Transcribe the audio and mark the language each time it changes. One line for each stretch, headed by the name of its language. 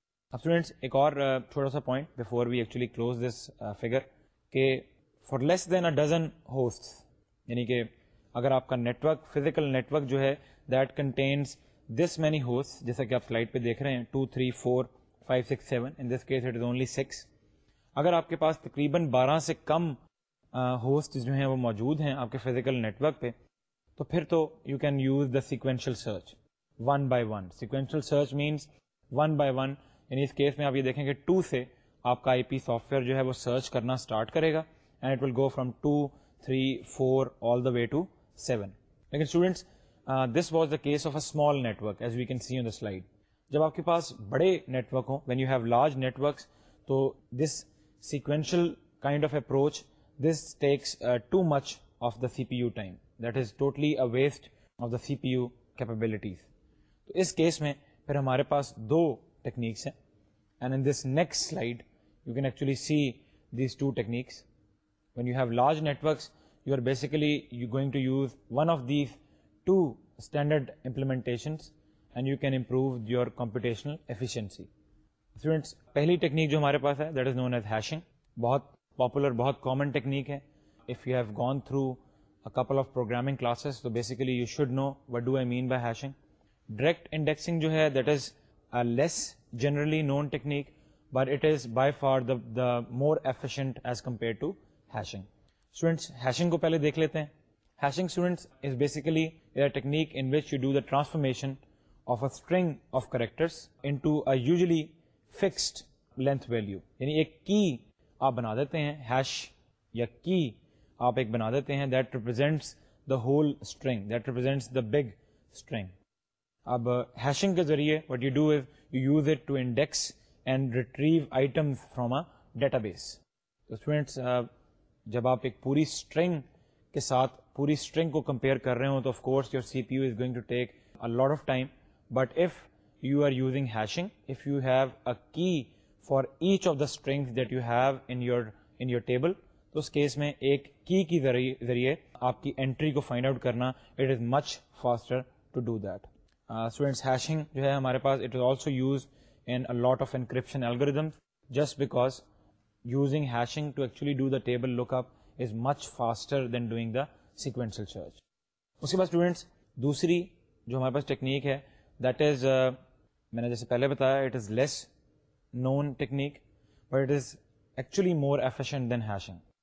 English: اب اسٹوڈینٹس
Urdu: ایک اور تھوڑا سا
English: point before we actually close this figure کہ for less than a dozen host
Urdu: یعنی کہ اگر آپ کا
English: network physical network جو ہے that contains this many host
Urdu: جیسا کہ آپ سلائڈ پہ دیکھ رہے ہیں
English: 2, 3, 4, 5, 6, 7 in this case it is only 6,
Urdu: اگر آپ کے پاس تقریباً 12 سے کم ہوسٹ جو ہیں وہ موجود ہیں آپ کے فزیکل نیٹورک پہ تو پھر تو
English: You can use the sequential search 1 by 1. Sequential search means 1 by 1
Urdu: یعنی اس کیس میں آپ یہ دیکھیں کہ 2 سے آپ کا آئی پی سافٹ ویئر جو ہے وہ سرچ کرنا اسٹارٹ کرے گا
English: And it will go from 2, 3, 4 all the way to 7. لیکن students this was the case of a small network as we can see on the slide.
Urdu: جب آپ کے پاس بڑے نیٹورک ہوں
English: When you have large networks تو this sequential kind of approach this takes too much of the C P U time that is totally a waste of the C P U capabilities.
Urdu: تو اس case میں پھر ہمارے پاس دو techniques ہیں
English: And in this next slide you can actually see these two techniques. When you have large networks you are basically you going to use one of these two standard implementations and you can improve your computational efficiency.
Urdu: Students, pehli technique jo hamare paas hai
English: that is known as hashing,
Urdu: bahut popular bahut common technique hai.
English: If you have gone through a couple of programming classes so basically you should know what do I mean by hashing. Direct indexing jo hai that is a less generally known technique but it is by far the more efficient as compared to hashing.
Urdu: Students hashing کو پہلے دیکھ لیتے ہیں.
English: Hashing students is basically a technique in which you do the transformation of a string of characters into a usually fixed length value.
Urdu: یعنی ایک کی آپ بنا دیتے ہیں ہیش یا کی آپ ایک بنا دیتے ہیں
English: That represents the whole string that represents the big string.
Urdu: اب ہیشنگ کے ذریعے
English: What you do is you use it to index and retrieve item from a database.
Urdu: Students جب آپ ایک پوری سٹرنگ کے ساتھ پوری سٹرنگ کو کمپیئر کر رہے ہوں تو
English: Of course your C P U is going to take a lot of time. But if you are using hashing if you have a key for each of the strings that you have in your table
Urdu: تو اس case میں ایک کی ذریعے آپ کی entry کو find out کرنا
English: It is much faster to do that.
Urdu: Students hashing جو ہے ہمارے پاس
English: It is also use in a lot of encryption algorithms just because using hashing to actually do the table lookup is much faster than doing the sequential search.
Urdu: Uske baad students, dusri jo hamare paas technique hai,
English: that is,
Urdu: maine jaise pehle bataya,
English: it is less known technique, but it is actually more efficient than hashing.